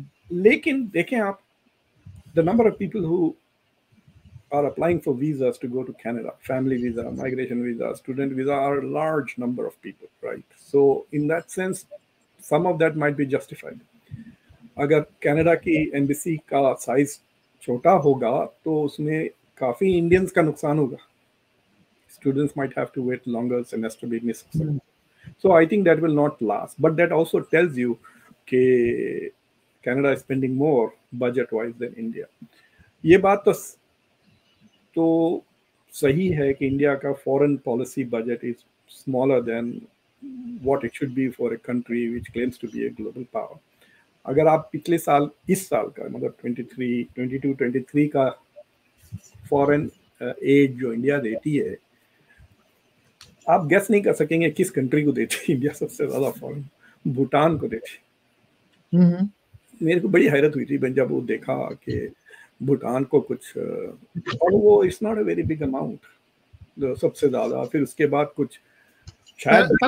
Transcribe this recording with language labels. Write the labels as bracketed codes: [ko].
[ur] لیکن دیکھیں آپ [en] The number of people who are applying for visas to go to Canada, family visa, migration visa, student visa, are large number of people, right? So in that sense some of that might be justified. [ur] اگر Canada کی embassy کا size چھوٹا ہوگا تو اس میں کافی Indians کا نقصان ہوگا. [en] Students might have to wait longer semester be missed. So I think that will not last. But that also tells you ke Canada is spending more budget-wise than India. [ur] Ye baat to sahi hai ki India ka foreign policy budget [en] is smaller than what it should be for a country which claims to be a global power. [ur] Agar aap pichle saal, is saal ka, matlab 22-23 ka foreign aid jo India deti hai, آپ gas نہیں کر سکیں گے کس country کو دیتی ہے India سب سے زیادہ فورن, بھوٹان کو دیتی. میرے کو بڑی حیرت ہوئی تھی بن جب وہ دیکھا کہ بھوٹان کو کچھ, اور وہ [en] it's not a very big amount [ur] سب سے زیادہ, پھر اس کے بعد کچھ شاید